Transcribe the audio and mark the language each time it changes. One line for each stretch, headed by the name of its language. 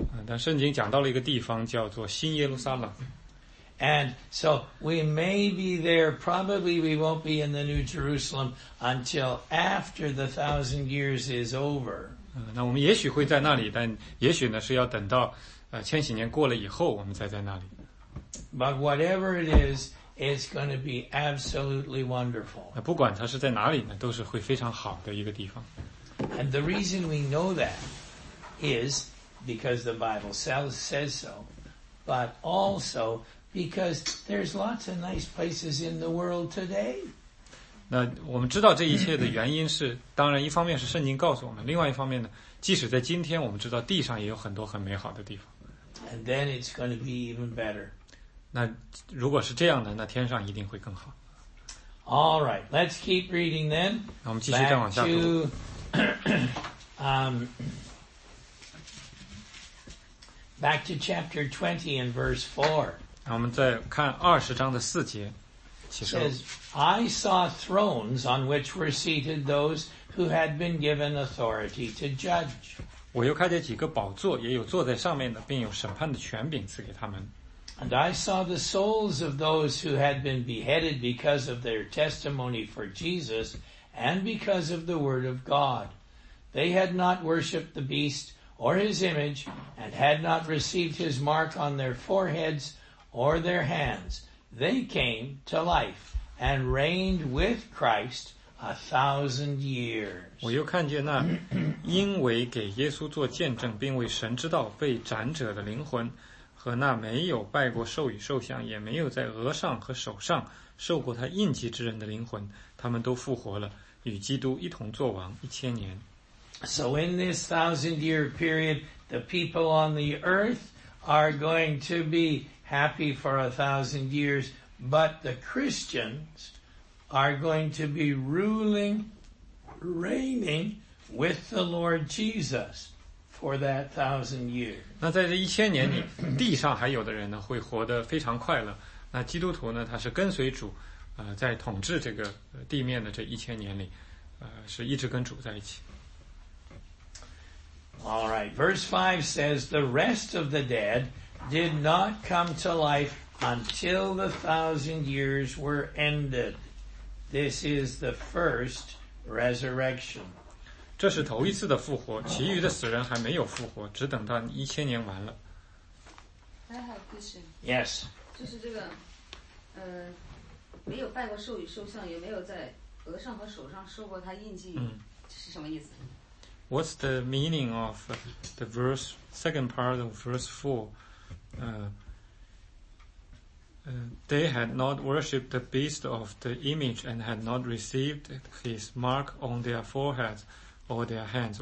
Chinese: 但圣经讲到了一个地方叫做新耶路撒冷。
English: And so we may be there, probably we won't be in the New Jerusalem until after the 1,000 years is over.
Chinese: 那我们也许会在那里，但也许呢是要等到千禧年过了以后我们才在那里。
English: But whatever it is, it's going to be absolutely wonderful.
Chinese: 不管它是在哪里呢，都是会非常好的一个地方。
English: And the reason we know that is because the Bible says so, but also because there's lots of nice places in the world today.
Chinese: 那我们知道这一切的原因是，当然一方面是圣经告诉我们，另外一方面呢，即使在今天，我们知道地上也有很多很美好的地方。
English: And then it's going to be even better.
Chinese: 那如果是这样的，那天上一定会更好。
English: All right, let's keep reading then.
Chinese: 那我们继续再往下读。
English: back to chapter 20 and verse 4.
Chinese: 那我们再看二十章的四节。
English: It says, I saw thrones on which were seated those who had been given authority to judge.
Chinese: 我又看见几个宝座，也有坐在上面的，并有审判的权柄赐给他们。
English: And I saw the souls of those who had been beheaded because of their testimony for Jesus and because of the word of God. They had not worshipped the beast or his image and had not received his mark on their foreheads or their hands. They came to life and reigned with Christ 1,000 years.
Chinese: 我又看见那因为给耶稣做见证并为神之道被斩者的灵魂和那没有拜过兽与兽像也没有在额上和手上受过他印记之人的灵魂他们都复活了与基督一同作王1,000年。
English: So in this 1,000-year period, the people on the earth are going to be happy for 1,000 years, but the Christians are going to be ruling, reigning with the Lord Jesus for that 1,000 years.
Chinese: 那在这一千年里，地上还有的人呢，会活得非常快乐。那基督徒呢，他是跟随主，在统治这个地面的这一千年里，是一直跟主在一起。
English: All right, verse 5 says, the rest of the dead did not come to life until the 1,000 years were ended. This is the first resurrection.
Chinese: 这是头一次的复活，其余的死人还没有复活，只等到一千年完了。
English: I have a question. Yes.
Chinese: 就是这个，没有拜过兽与兽像，也没有在额上和手上受过他印记，这是什么意思？
English: What's the meaning of the verse, second part of verse 4? They had not worshipped the beast of the image and had not received his mark on their foreheads or their hands.